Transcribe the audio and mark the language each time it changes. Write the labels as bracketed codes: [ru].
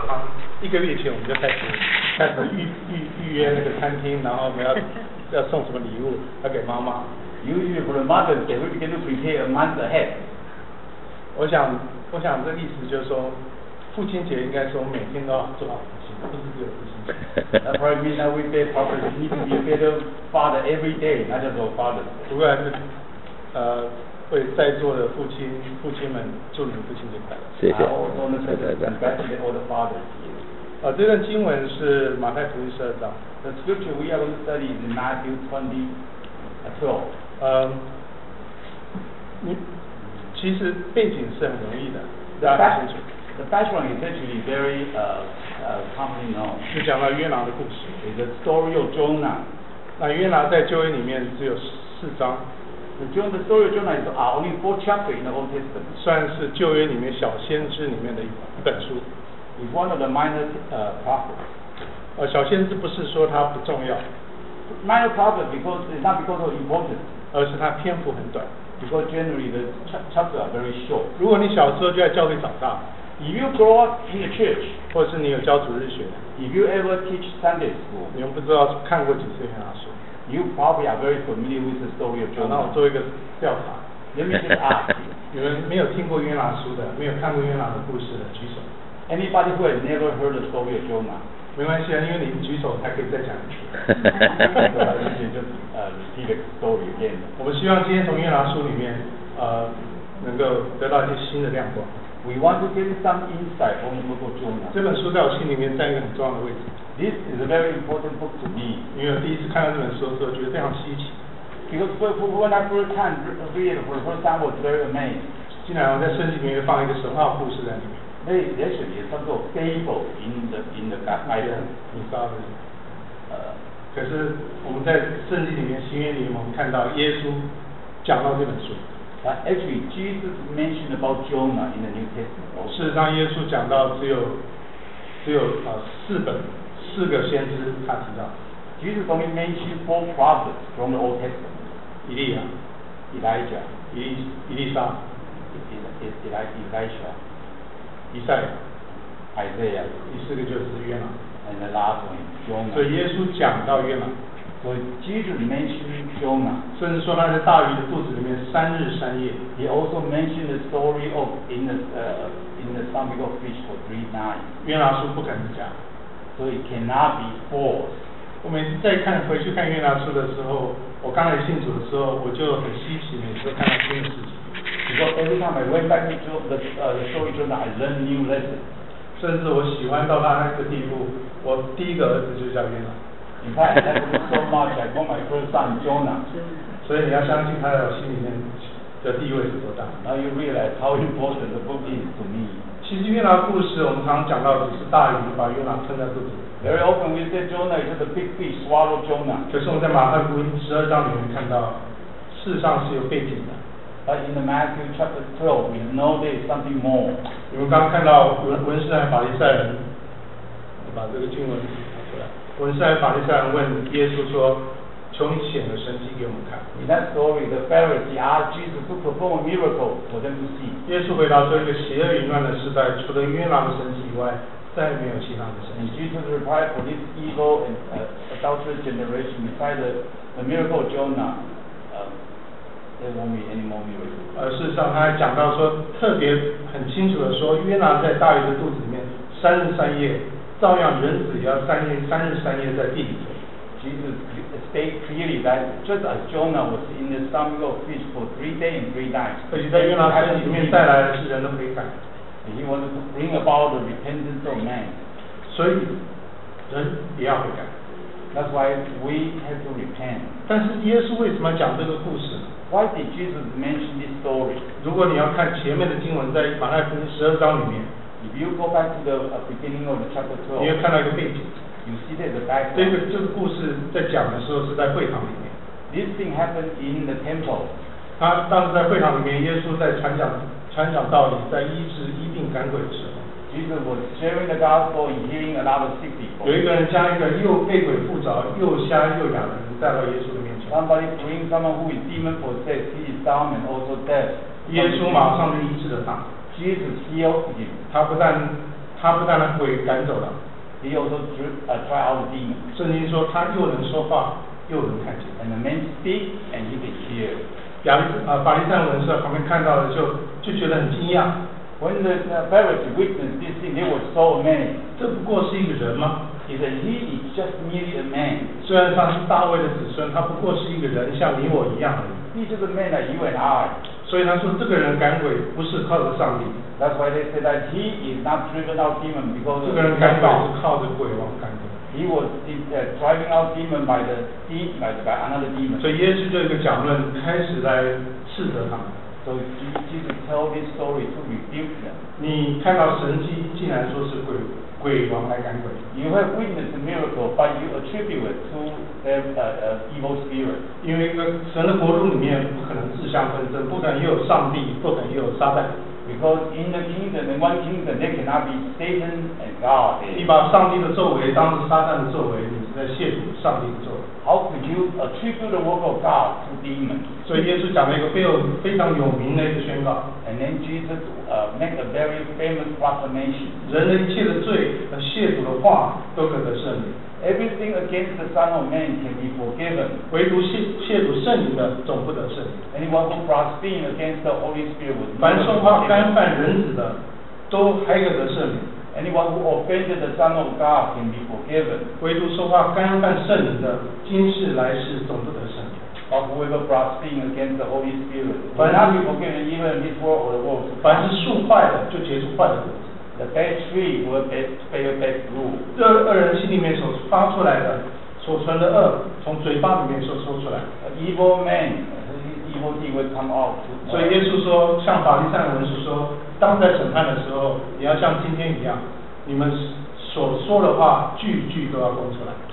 [zh] 长，一个月前我们就开始预约那个餐厅，然后我们要送什么礼物要给妈妈。 [en] Usually for the mother, they will begin to prepare a month ahead. [zh] 我想这意思就是说，父亲节应该说每天都要做好父亲，不是只有父亲节。 [en] That probably means that we pay properly. You need to be a better father every day, not just a father. [zh] 不过还是为在座的父亲们祝你们父亲节快乐。谢谢。 [en] Congratulate all the fathers here. [zh] 这段经文是马太福音十二章。 [en] The scripture we are going to study is Matthew 20:12. [zh] 其实背景是很容易的。 [en] The background is actually very commonly known. [zh] 是讲到约拿的故事。 [en] It's the story of Jonah. [zh] 那约拿在旧约里面只有四章。 [en] The story of Jonah is only four chapters in the Old Testament. [zh] 算是旧约里面小先知里面的一本书。 [en] It's one of the minor prophets. [zh] 小先知不是说他不重要。 [en] Minor prophet because not because of importance. [zh] 而是他篇幅很短。 [en] Because generally the chapters are very short. [zh] 如果你小时候就在教会长大。 [en] If you grow up in the church, [zh] 或是你有教主日学。 [en] If you ever teach Sunday school, [zh] 你们不知道看过几次约拿书。 [en] You probably are very familiar with the story of Jonah. [zh] 那我做一个调查。 [en] Let me just ask, [zh] 你们没有听过约拿书的，没有看过约拿的故事的，举手。 [en] Anybody who has never heard the story of Jonah? [zh] 没关系啊，因为你们举手才可以再讲一次。 [en] repeat the story again. [zh] 我们希望今天从约拿书里面，能够得到一些新的亮光。 [en] We want to get some insight from the book of Jonah. [zh] 这本书在我心里面占一个很重要的位置。 [en] This is a very important book to me. [zh] 因为第一次看到这本书的时候，觉得非常稀奇。 [en] Because when I first time read it for the first time, I was very amazed. [zh] 竟然我在圣经里面放一个神话故事在里面。 [en] It actually is some sort of fable in the Bible. Mythology. [zh] 可是我们在圣经里面、新约里面，我们看到耶稣讲到这本书。 [en] But actually, Jesus mentioned about Jonah in the New Testament. [zh] 事实上，耶稣讲到只有四个先知，他提到。 [en] Jesus only mentioned four prophets from the Old Testament. [zh] 以利亚 [en] Elijah. [zh] 以利沙 [en] Elisha. [zh] 以赛亚 [en] Isaiah. [zh] 第四个就是约拿。 [en] And the last one, Jonah. [zh] 所以耶稣讲到约拿。 [en] So Jesus mentioned Jonah. [zh] 甚至说他在大鱼的肚子里面三日三夜。 [en] He also mentioned the story of in the stomach of fish for three nights. [zh] 约拿书不敢讲。 [en] So it cannot be false. [zh] 我每次再看回去看约拿书的时候，我刚来信主的时候，我就很稀奇，每次看到新的事情。 [en] Because every time I went back to the story of Jonah, I learned new lessons. [zh] 甚至我喜欢到他那个地步，我第一个儿子就叫约拿。 [en] In fact, I love him so much. I call my first son Jonah. [zh] 所以你要相信他在我心里面的地位是多大。 [en] Now you realize how important the book is to me. [zh] 其实约拿故事我们常常讲到，只是大鱼把约拿吞在肚子。 [en] Very often we say Jonah is the big fish swallow Jonah. [zh] 可是我们在马太福音十二章里面看到，事实上是有背景的。 [en] But in the Matthew chapter 12, we know there is something more. [zh] 你们刚看到文士和法利赛人，把这个经文。文士和法利赛人问耶稣说：“求你显个神迹给我们看。” [en] In that story, the Pharisees asked Jesus to perform a miracle for them to see. [zh] 耶稣回答说：“一个邪恶淫乱的时代，除了约拿的神迹以外，再也没有其他的神迹。” [en] Jesus replied, "For this evil and adulterous generation, besides the miracle of Jonah, there won't be any more miracles." [zh] 事实上，他还讲到说，特别很清楚的说，约拿在大鱼的肚子里面三日三夜。照样人子也要三日三夜在地里。 [en] Jesus stated clearly that just as Jonah was in the stomach of fish for three days and three nights, [zh] 而且在约拿身体里面带来的是人的悔改。 [en] And he wanted to bring about the repentance of man. [zh] 所以人也要悔改。 [en] That's why we have to repent. [zh] 但是耶稣为什么讲这个故事？ [en] Why did Jesus mention this story? [zh] 如果你要看前面的经文，在马太福音十二章里面。 [en] If you go back to the beginning of the chapter 12, [zh] 你会看到一个背景。 [en] You see there's a background. [zh] 这个故事在讲的时候是在会堂里面。 [en] This thing happened in the temple. [zh] 他当时在会堂里面，耶稣在传讲道理，在医治医病赶鬼的时候。 [en] Jesus was sharing the gospel and healing a lot of sick people. [zh] 有一个人将一个又被鬼附着、又瞎又哑的人带到耶稣的面前。 [en] Somebody bring someone who is demon possessed, he is dumb and also deaf. [zh] 耶稣马上就医治了他。 [en] Jesus healed him. [zh] 他不但他不但能鬼赶走了， [en] he also drive out demons. [zh] 圣经说他又能说话又能看见。 [en] And the man speak and he can hear. [zh] 法利赛人在旁边看到了就觉得很惊讶。 [en] When the Pharisees witnessed this thing, they were so amazed. [zh] 这不过是一个人吗？ [en] He said, he is just merely a man. [zh] 虽然他是大卫的子孙，他不过是一个人，像你我一样。 [en] He is just a man like you and I. [zh] 所以他说这个人赶鬼不是靠着上帝。 [en] That's why they said that he is not driven out demon because [zh] 这个人赶鬼是靠着鬼王赶鬼。 [en] He was driving out demon by another demon. [zh] 所以耶稣就一个讲论开始来斥责他。 [en] So Jesus tell this story to rebuke them. [zh] 你看到神迹，竟然说是鬼王来赶鬼。 [en] You have witnessed a miracle, but you attribute it to evil spirit. [zh] 因为神的国度里面不可能自相纷争，不可能有上帝，不可能有撒旦。 [en] Because in the kingdom, in one kingdom, there cannot be Satan and God. [zh] 你把上帝的作为当成撒旦的作为，你是在亵渎上帝的作为。 [en] How could you attribute the work of God to demons? [zh] 所以耶稣讲了一个非常有名的一个宣告。 [en] And then Jesus make a very famous proclamation. [zh] 人的一切的罪和亵渎的话都可得赦免。 [en] Everything against the Son of Man can be forgiven. [zh] 唯独亵渎圣灵的总不得赦免。 [en] Anyone who blasphemes against the Holy Spirit would. [zh] 凡说话干犯人子的，都还可得赦免。 [en] Anyone who offended the Son of God can be forgiven. [zh] 唯独说话干犯圣灵的，今世来世总不得赦免。 [en] But whoever blasphemes against the Holy Spirit will not be forgiven even in this world or the world. [zh] 凡是树坏的，就结出坏的果子。 [en] The bad tree will bear bad fruit. [zh] 这恶人心里面所发出来的，所存的恶，从嘴巴里面所说出来。 [en] An evil man, evil deed will come out. [zh] 所以耶稣说，像法利赛人是说，当在审判的时候，你要像今天一样，你们所说的话，句句都要供出来。